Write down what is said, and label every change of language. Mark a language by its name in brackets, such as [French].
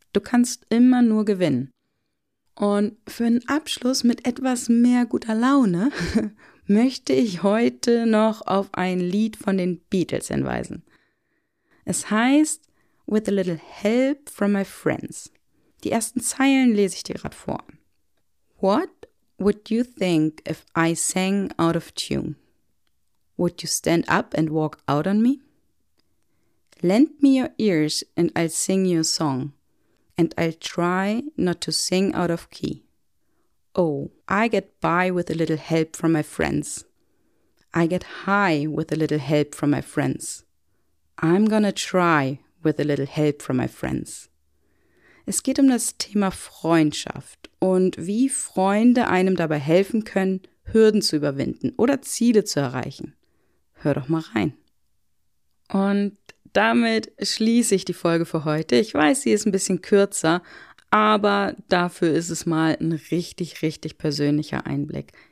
[German] Du kannst immer nur gewinnen. Und für einen Abschluss mit etwas mehr guter Laune möchte ich heute noch auf ein Lied von den Beatles hinweisen. Es heißt »With a little help from my friends«. Die ersten Zeilen lese ich dir gerade vor. [English] What would you think if I sang out of tune? Would you stand up and walk out on me? Lend me your ears and I'll sing you a song. And I'll try not to sing out of key. Oh, I get by with a little help from my friends. I get high with a little help from my friends. I'm gonna try with a little help from my friends. [German] Es geht um das Thema Freundschaft und wie Freunde einem dabei helfen können, Hürden zu überwinden oder Ziele zu erreichen. Hör doch mal rein. Und damit schließe ich die Folge für heute. Ich weiß, sie ist ein bisschen kürzer, aber dafür ist es mal ein richtig, richtig persönlicher Einblick.